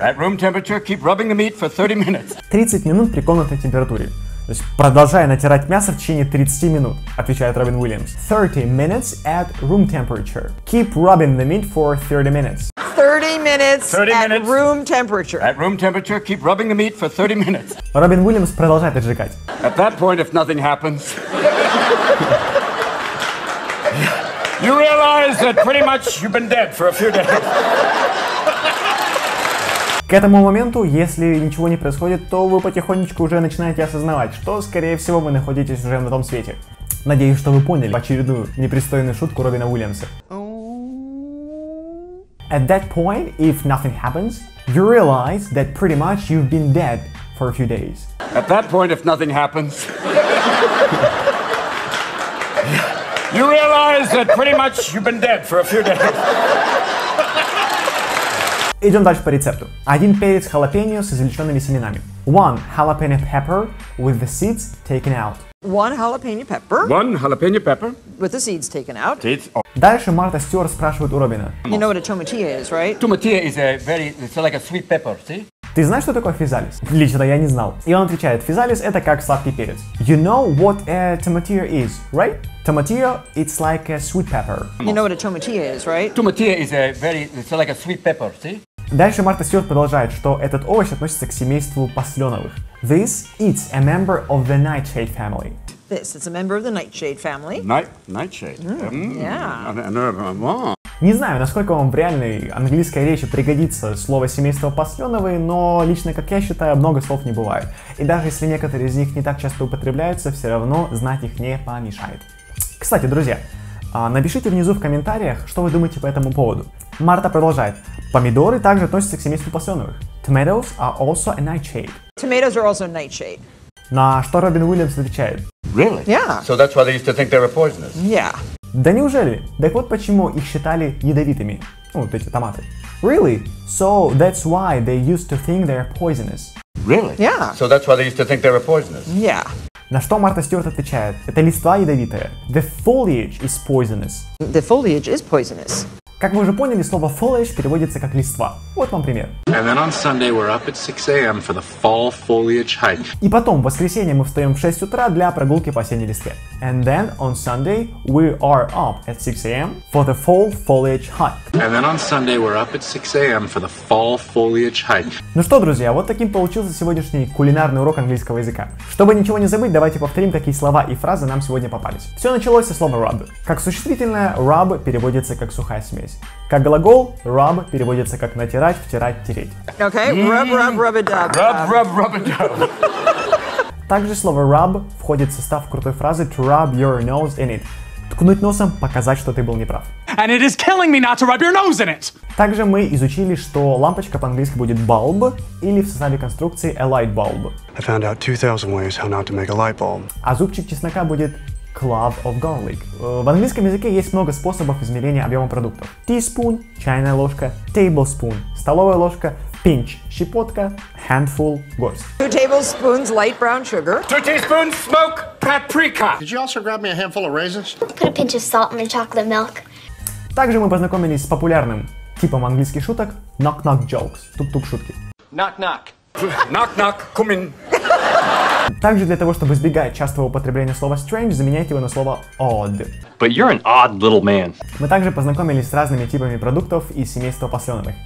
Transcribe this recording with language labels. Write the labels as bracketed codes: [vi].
[en] At room temperature, keep rubbing the meat for 30 minutes. [ru] 30 минут при комнатной температуре. То есть продолжай натирать мясо в течение 30 минут, отвечает Робин Уильямс. [en] 30 minutes at room temperature. Keep rubbing the meat for 30 minutes. 30 minutes at room temperature. At room temperature, keep rubbing the meat for 30 minutes. [ru] Робин Уильямс продолжает отжигать. [en] At that point, if nothing happens... You realize that pretty much you've been dead for a few days. [ru] К этому моменту, если ничего не происходит, то вы потихонечку уже начинаете осознавать, что, скорее всего, вы находитесь уже на том свете. Надеюсь, что вы поняли очередную непристойную шутку Робина Уильямса. [en] At that point, if nothing happens, you realize that pretty much you've been dead for a few days. At that point, if nothing happens... you realize that pretty much you've been dead for a few days. [ru] Идем дальше по рецепту. Один перец халапеньо с извлеченными семенами. [en] One jalapeno pepper with the seeds taken out. One jalapeno pepper. One jalapeno pepper. With the seeds taken out. Seeds. [ru] Дальше Марта Стюарт спрашивает у Робина. [en] You know what a tomatilla is, right? Tomatilla is a very, it's like a sweet pepper, see? [ru] Ты знаешь, что такое физалис? Лично я не знал. И он отвечает, физалис это как сладкий перец. [en] You know what a tomatillo is, right? Tomatillo, it's like a sweet pepper. You know what a tomatillo is, right? Tomatillo is a very, it's like a sweet pepper, see? [ru] Дальше Марта Стюарт продолжает, что этот овощ относится к семейству посленовых. [en] This is a member of the nightshade family. This is a member of the nightshade family. Nightshade? Yeah. [ru] Не знаю, насколько вам в реальной английской речи пригодится слово «семейство посленовые», но лично, как я считаю, много слов не бывает. И даже если некоторые из них не так часто употребляются, все равно знать их не помешает. Кстати, друзья, напишите внизу в комментариях, что вы думаете по этому поводу. Марта продолжает. Помидоры также относятся к семейству посленовых. [en] Tomatoes are also a nightshade. Tomatoes are also a nightshade. [ru] На что Робин Уильямс отвечает? [en] Really? Yeah. So that's why they used to think they were poisonous? Yeah. [ru] Да неужели? Так вот почему их считали ядовитыми. Ну, вот эти томаты. [en] Really? So that's why they used to think they're poisonous. Really? Yeah. So that's why they used to think they were poisonous. Yeah. [ru] На что Марта Стюарт отвечает? Это листва ядовитая. [en] The foliage is poisonous. The foliage is poisonous. [ru] Как мы уже поняли, слово foliage переводится как листва. Вот вам пример. [en] And then on Sunday we're up at 6 a.m. for the fall foliage hike. [ru] И потом, в воскресенье мы встаем в 6 утра для прогулки по осенней листве. [en] And then on Sunday we are up at 6 a.m. for the fall foliage hike. And then on Sunday we're up at 6 a.m. for the fall foliage hike. [ru] Ну что, друзья, вот таким получился сегодняшний кулинарный урок английского языка. Чтобы ничего не забыть, давайте повторим, какие слова и фразы нам сегодня попались. Все началось со слова rub. Как существительное, rub переводится как сухая смесь. Как глагол, rub переводится как натирать, втирать, тереть. [en] Okay, rub, rub, rub a dub. Rub, rub, rub a dub. [ru] Также слово rub входит в состав крутой фразы [en] to rub your nose in it. [ru] Ткнуть носом, показать, что ты был неправ. [en] And it is killing me not to rub your nose in it. [ru] Также мы изучили, что лампочка по-английски будет bulb или в составе конструкции [en] a light bulb. I found out 2000 ways how not to make a light bulb. [ru] А зубчик чеснока будет [en] clove of garlic. [ru] В английском языке есть много способов измерения объема продуктов. Teaspoon – чайная ложка, tablespoon – столовая ложка, pinch – щепотка, handful – горсть. [en] Two tablespoons light brown sugar. Two teaspoons smoked paprika. Did you also grab me a handful of raisins? Put a pinch of salt in the chocolate milk. [ru] Также мы познакомились с популярным типом английских шуток – knock-knock jokes – тук-тук шутки. [en] Knock-knock. Knock-knock, come in. [ru] Также для того, чтобы избегать частого употребления слова strange, заменяйте его на слово odd. [en] But you're an odd little man. [ru] Мы также познакомились с разными типами продуктов из семейства посленовых.